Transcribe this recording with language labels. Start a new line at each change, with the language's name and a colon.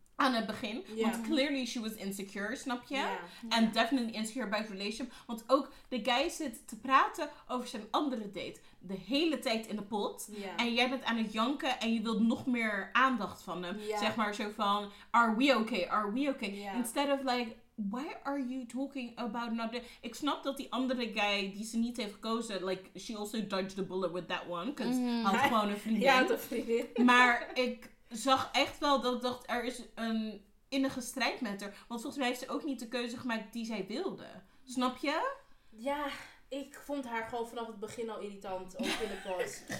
Dutch: aan het begin. Yeah. Want
English: clearly she was insecure,
Dutch: snap je? En yeah.
English: definitely insecure about relationship.
Dutch: Want ook de guy zit te praten over zijn andere date. De hele tijd in de pot. Yeah. En jij bent aan het janken en je wilt nog meer aandacht van hem.
English: Yeah.
Dutch: Zeg maar zo van,
English: are we okay? Are we okay? Yeah. Instead of like, why are you talking about another...
Dutch: Ik snap dat die andere guy die ze niet heeft gekozen...
English: Like, she also dodged the bullet with that one. Because
Dutch: had gewoon een vriendin. Ja, de vriendin. Maar ik zag echt wel dat ik dacht... Er is een innige strijd met haar. Want volgens mij heeft ze ook niet de keuze gemaakt die zij wilde. Snap je? Ja, ik vond haar gewoon vanaf het begin al irritant. Ook in de pot.